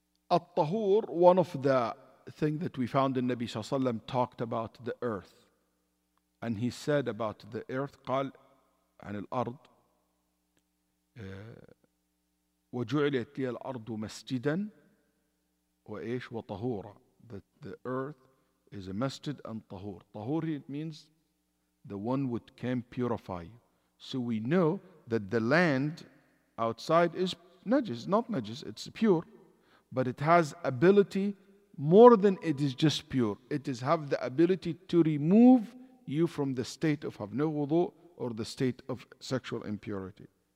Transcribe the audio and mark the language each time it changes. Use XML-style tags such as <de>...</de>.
<en>At-tahur, one of the things that we found in Nabi Sallallahu Alaihi Wasallam talked about the earth. And he said about the earth,</en> <ar>قال عن الأرض وجعلت لي الأرض مسجدا وإيش وطهورا.</ar> <en>That the earth is a masjid and tahur. Tahur, it means the one which can purify you. So we know that the land outside is najis, not najis, it's pure. But it has ability more than it is just pure. It is have the ability to remove you from the state of have no wudu or the state of sexual impurity.</en>